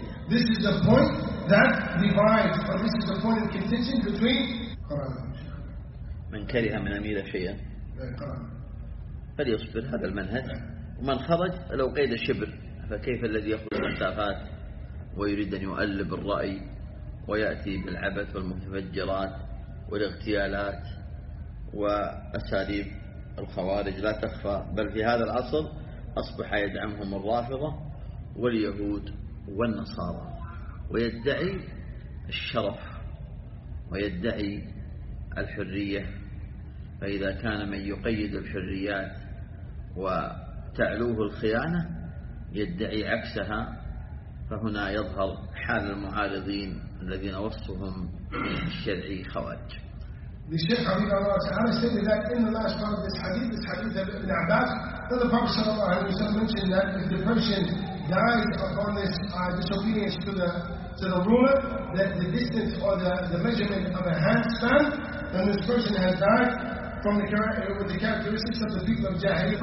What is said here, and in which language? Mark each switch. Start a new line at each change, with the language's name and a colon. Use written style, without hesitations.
English: This is the point that divides, or this is the point of contention between
Arabic: من كره من أمير شيئا فليصبر هذا المنهج، ومن خرج لو قيد الشبر فكيف الذي يخرج المسافات ويريد أن يؤلب الرأي ويأتي بالعبث والمتفجرات والاغتيالات وأساليب الخوارج لا تخفى، بل في هذا العصر أصبح يدعمهم الرافضة واليهود والنصارى، ويدعي الشرف ويدعي الحرية. فإذا كان من يقيد الحريات وتعلوه الخيانة يدعي عكسها، فهنا يظهر حال المعارضين الذين وصفهم الشرعي خوارج.
English: The Shaykh Habibullah Ta'ala said that in the last part of this hadith of Ibn Abbas, that the Prophet Sallallahu Alaihi Wasallam mentioned that if the person died upon this disobedience to the ruler, that the distance or the measurement of a hand span, then this person has died from with the characteristics of the people of Jahiliyyah.